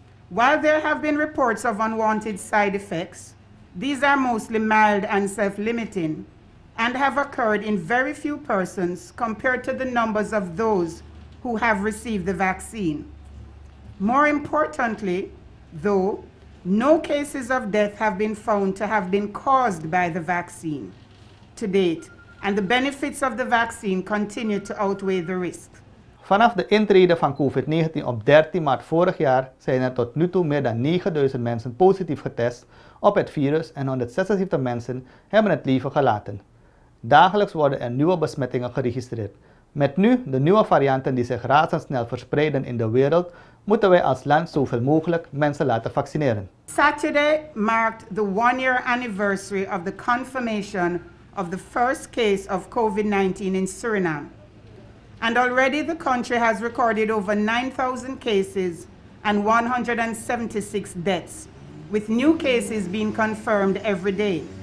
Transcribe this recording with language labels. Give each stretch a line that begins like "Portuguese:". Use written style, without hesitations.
English: While there have been reports of unwanted side effects, these are mostly mild and self-limiting, and have occurred in very few persons compared to the numbers of those who have received the vaccine. More importantly, though, no cases of death have been found to have been caused by the vaccine to date, and the benefits of the vaccine continue to outweigh the risk.
Dutch: Vanaf de intrede van COVID-19 op 13 maart vorig jaar zijn er tot nu toe meer dan 9000 mensen positief getest op het virus en 176 mensen hebben het leven gelaten. Dagelijks worden er nieuwe besmettingen geregistreerd. Met nu de nieuwe varianten die zich razendsnel verspreiden in de wereld, moeten wij als land zoveel mogelijk mensen laten vaccineren.
English: Saturday marked the one-year anniversary of the confirmation of the first case of COVID-19 in Suriname. And already the country has recorded over 9,000 cases and 176 deaths, with new cases being confirmed every day.